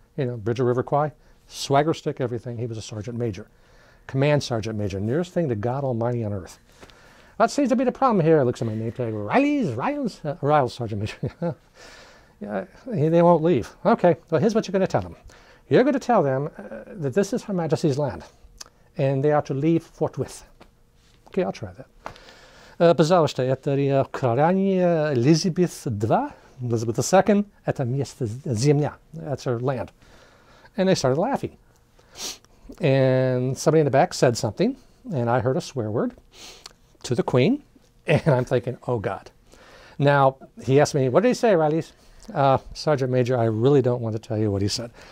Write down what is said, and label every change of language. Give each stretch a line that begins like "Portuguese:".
English: You know, Bridger River Kwai, swagger stick, everything. He was a sergeant major, command sergeant major, nearest thing to God Almighty on earth. That seems to be the problem here. Looks at my name tag, Riles, sergeant major. Yeah, they won't leave. Okay, well, here's what you're gonna tell them. You're gonna tell them that this is Her Majesty's land, and they are to leave forthwith. Okay, I'll try that.
Russian: Пожалуйста, это королевна Елизабет II, Elizabeth II, это место земля.
English: That's her land. And they started laughing. And somebody in the back said something, and I heard a swear word to the Queen, and I'm thinking, oh God. Now, he asked me, what did he say, Riles? Sergeant Major, I really don't want to tell you what he said.